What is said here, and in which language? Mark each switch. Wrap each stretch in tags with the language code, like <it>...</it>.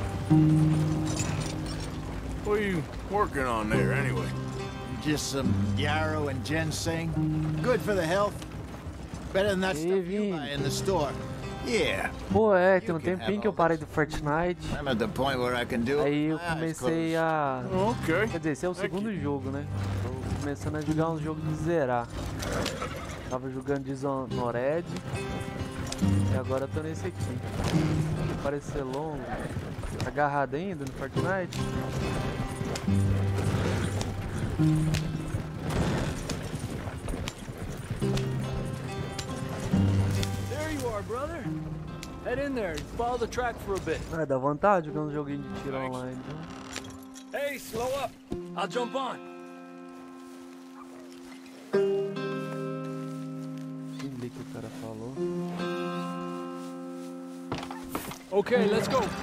<en>What are you working on there, anyway? Just some yarrow and ginseng. Good for the health. Better than that stuff you buy in the store. Yeah.</en> <pt>Pô, é, tem um tempinho que eu parei do Fortnite. Aí eu comecei a...</pt> <en>Okay.</en> <pt>Quer dizer, esse é o segundo jogo, né? Tô começando a jogar um jogo de zerar. Tava jogando Dishonored. E agora eu tô nesse aqui. Parece ser longo. Agarrado ainda no Fortnite.</pt> <en>Brother, head in there and follow the track for a bit.</en> <pt>Ah, dá vontade jogar um joguinho de tiro online. Então.</pt> <en>Hey, slow up. I'll jump on.</en> <pt>Entendi o que o cara falou.</pt> <en>Okay, let's go.</en>